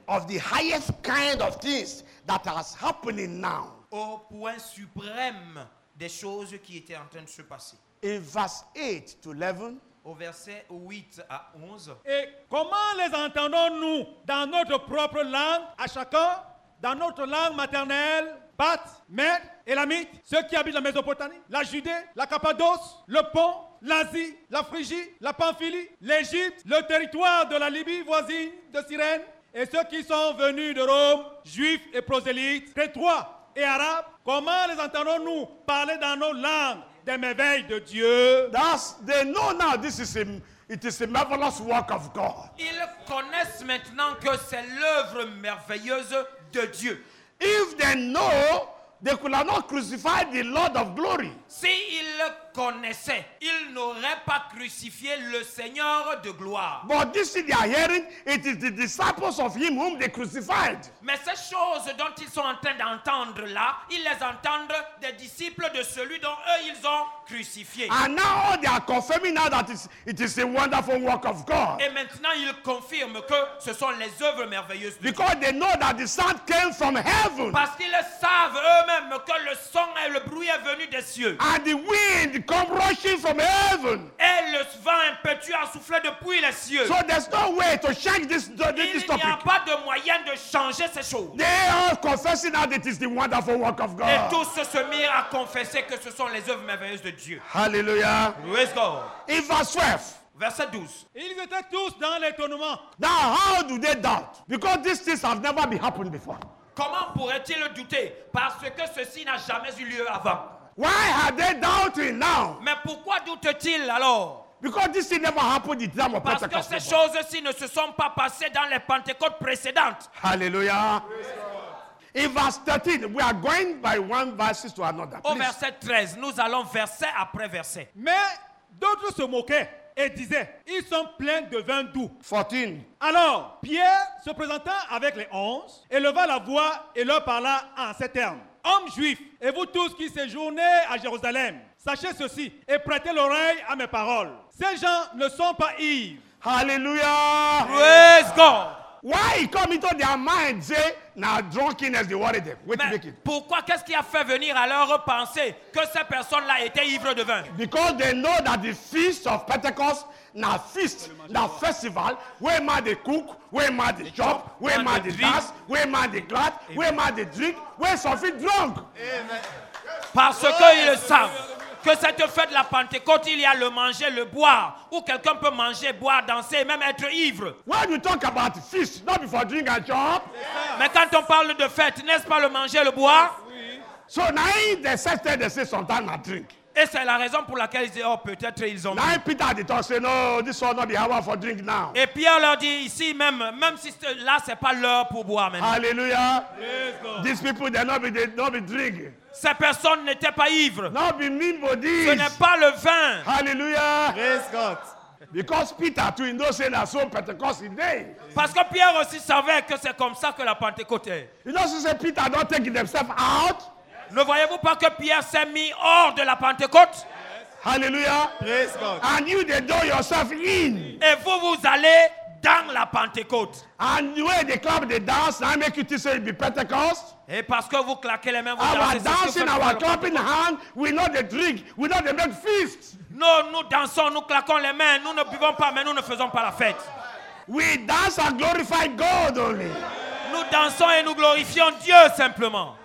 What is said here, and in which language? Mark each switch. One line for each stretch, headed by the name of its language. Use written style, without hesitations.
English: Of the highest kind of things that are happening now.
French: Au point suprême des choses qui étaient en train de se passer.
English: In verse 8 to 11.
French: Au verset 8 à 11. Et comment les entendons-nous dans notre propre langue, à chacun, dans notre langue maternelle, Bath, Mède, Élamite, ceux qui habitent la Mésopotamie, la Judée, la Cappadoce, le Pont, l'Asie, la Phrygie, la Pamphylie, l'Égypte, le territoire de la Libye voisine de Cyrène, et ceux qui sont venus de Rome, juifs et prosélytes, crétois et arabes, comment les entendons-nous parler dans nos langues? Des merveilles de Dieu.
English: That's, they know now this is a, it is a marvelous work of God.
French: Ils connaissent maintenant que c'est l'œuvre merveilleuse de Dieu.
English: If they know, they could have not crucified the Lord of glory.
French: Si ils le connaissaient, ils n'auraient pas crucifié le Seigneur de gloire.
English: But this thing they are hearing, it is the disciples of him whom they crucified.
French: Mais ces choses dont ils sont en train d'entendre là, ils les entendent des disciples de celui dont eux ils ont crucifié.
English: And now they are confirming now that it is a wonderful work of God.
French: Et maintenant ils confirment que ce sont les œuvres merveilleuses de Dieu.
English: Because they know that the sound came from heaven.
French: Parce qu'ils savent eux-mêmes que le son et le bruit est venu des cieux.
English: And the wind It comes rushing from heaven.
French: Et le vent impétueux a soufflé depuis les cieux.
English: So there's no way to change this, this topic.
French: Il n'y a pas de moyen de changer ces choses.
English: They are confessing that it is the wonderful work of God.
French: Et tous se mirent à confesser que ce sont les œuvres merveilleuses de Dieu.
English: Hallelujah. Praise God. In verse 12. Verset 12.
French: Ils étaient tous dans l'étonnement.
English: Now how do they doubt? Because these things have never been happened before.
French: Comment pourraient-ils douter? Parce que ceci n'a jamais eu lieu avant.
English: Why are they doubting now?
French: Mais pourquoi doutent-ils alors?
English: Because this thing never happened in the time of Pentecost.
French: Parce que ces choses-ci ne se sont pas passées dans les Pentecôtes précédentes.
English: Hallelujah. In verse 13, we are going by one verse to another.
French: Au verset 13, nous allons verset après verset. Mais d'autres se moquaient et disaient, ils sont pleins de vin doux. 14. Alors, Pierre se présenta avec les onze, éleva la voix et leur parla en ces termes. Hommes juifs, et vous tous qui séjournez à Jérusalem, sachez ceci et prêtez l'oreille à mes paroles. Ces gens ne sont pas ivres.
English: Hallelujah. Praise God. Why he come into their mind say, now drunkenness they worry them. Wait, make it.
French: Pourquoi qu'est-ce qui a fait venir à leur pensée que ces personnes-là étaient ivres de vin?
English: Because they know that the feast of Pentecost, now feast, now festival, where man they cook, where man they chop, where man they dance, where man they glad, where man they drink, where something drunk.
French: Parce qu'ils savent que cette fête de la Pentecôte, il y a le manger, le boire, où quelqu'un peut manger, boire, danser, même être ivre.
English: When you talk about feast, not before drink and chop. Yes.
French: Mais quand on parle de fête, n'est-ce pas le manger, le boire? Oui.
English: So now they said that they say sometimes I drink.
French: Et c'est la raison pour laquelle ils disent, oh, peut-être ils ont.
English: Now Peter did not say, no, this will not be hour for drink now.
French: Et Pierre leur dit ici même, même si là c'est pas l'heure pour boire maintenant.
English: Hallelujah. Yes, God. These people they not be drink.
French: Ces personnes n'étaient pas ivres.
English: Not be mean bodies.
French: Ce n'est pas le vin.
English: Hallelujah. Praise God. Because Peter too in those days saw Pentecost today.
French: Parce que Pierre aussi savait que c'est comme ça que la Pentecôte est.
English: You know, since Peter not taking himself out.
French: Ne voyez-vous pas que Pierre s'est mis hors de la Pentecôte?
English: Yes. Hallelujah. Praise God. And you the door yourself in.
French: Et vous vous allez dans la Pentecôte.
English: And the way they clap, they dance, and I make you to say it be Pentecost.
French: Et parce que vous claquez les mains, vous
English: dansez. Our dancing, our clapping hands, we know the drink, we know the make feast.
French: Non, nous dansons, nous claquons les mains, nous ne buvons pas, mais nous ne faisons pas la fête.
English: We dance and glorify God only.
French: Nous dansons et nous glorifions Dieu simplement.